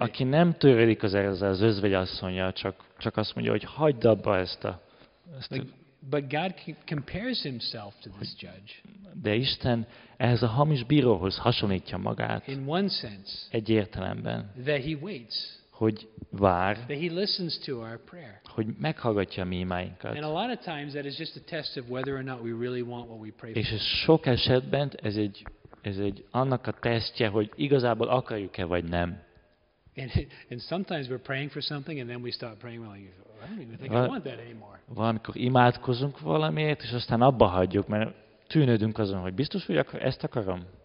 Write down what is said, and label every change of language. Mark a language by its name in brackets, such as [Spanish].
[Hungarian] Aki nem törődik az özvegyasszonyja, csak azt mondja, hogy hagyd abba ezt. [English] But God compares himself to this judge. [Hungarian] De Isten ehhez a hamis bíróhoz hasonlítja magát. [English] In one sense. [Hungarian] Egy értelemben. [English] That he waits. [Hungarian] Hogy vár. [English] That he listens to our prayer. [Hungarian] Hogy meghallgatja mi imáinkat. [English] And a lot of times that is just a test of whether or not we really want what we pray for. [Hungarian] És ez sok esetben ez egy annak a tesztje, hogy igazából akarjuk-e vagy nem. [English] And sometimes we're praying for something and then we start praying like, I don't even think I want that anymore. [Hungarian] Valamikor imádkozunk valamiért, és aztán abba hagyjuk, mert tűnődünk azon, hogy biztos, hogy ezt akarom.